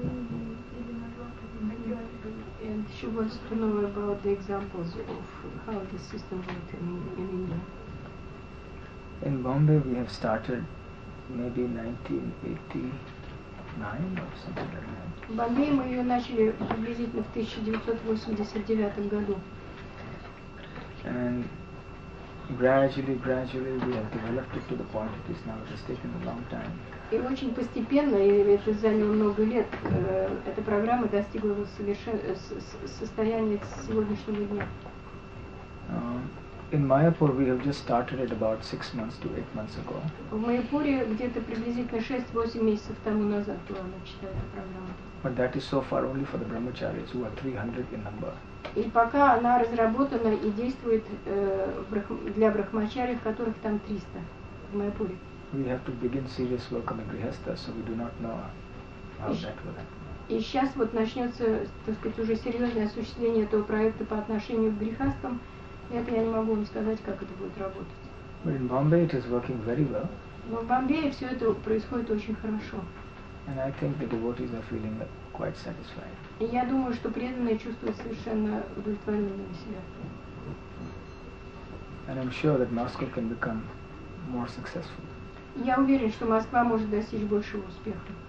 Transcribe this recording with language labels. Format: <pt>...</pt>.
<en>And she wants to know about the examples of how the system worked in India. In Bombay, we have started maybe 1989 or something like that.</en> <ru>В Бомбее мы ее начали приблизительно в 1989 году.</ru> <en>And gradually we have developed it to the point it is now. It has taken a long time.</en> <ru>И очень постепенно, и это заняло много лет, эта программа достигла состояния сегодняшнего дня.</ru> <en>In Mayapur we have just started it about 6 months to 8 months ago.</en> <ru>В Майяпуре где-то приблизительно 6-8 месяцев тому назад была начата эта программа.</ru> <en>But that is so far only for the brahmacharis, who are 300 in number.</en> <ru>И пока она разработана и действует для брахмачарий, которых там 300 в Майяпуре.</ru> <en>We have to begin serious work on the grihastha, so we do not know how that will happen.</en> <ru>И сейчас вот начнется, так сказать, уже серьезное осуществление этого проекта по отношению к грихастам. Нет, я не могу вам сказать, как это будет работать.</ru> <en>But in Bombay it is working very well.</en> <ru>Но в Бомбее все это происходит очень хорошо.</ru> <en>And I think the devotees are feeling quite satisfied.</en> <ru>И я думаю, что преданные чувствуют совершенно удовлетворенными себя.</ru> <en>And I'm sure that Moscow can become more successful.</en> <ru>Я уверен, что Москва может достичь большего успеха.</ru>